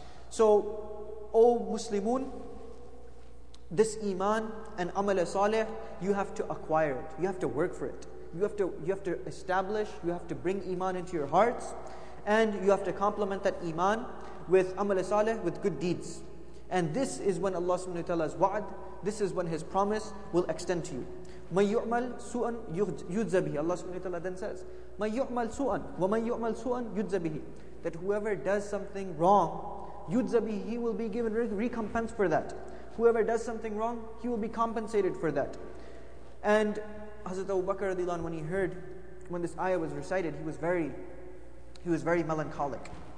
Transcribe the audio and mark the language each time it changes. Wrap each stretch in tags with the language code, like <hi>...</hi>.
<en>So, O Muslimun, this iman and amal salih, you have to acquire it. You have to work for it. You have to establish, you have to bring iman into your hearts, and you have to complement that iman with amal salih, with good deeds. And this is when Allah subhanahu wa ta'ala's wa'ad, this is when His promise will extend to you.</en> <ar>مَنْ يُعْمَلْ سُوءًا يُجْزَبِهِ.</ar> <en>Allah subhanahu wa ta'ala then says,</en> <ar>مَنْ يُعْمَلْ سُوءًا وَمَنْ يُعْمَلْ سُوءًا يُجْزَبِهِ.</ar> <en>That whoever does something wrong,</en> <ar>يُجْزَبِهِ,</ar> <en>he will be given recompense for that. Whoever does something wrong, he will be compensated for that. And Hazrat Abu Bakr radiallahu anhu, when this ayah was recited, he was very melancholic.</en>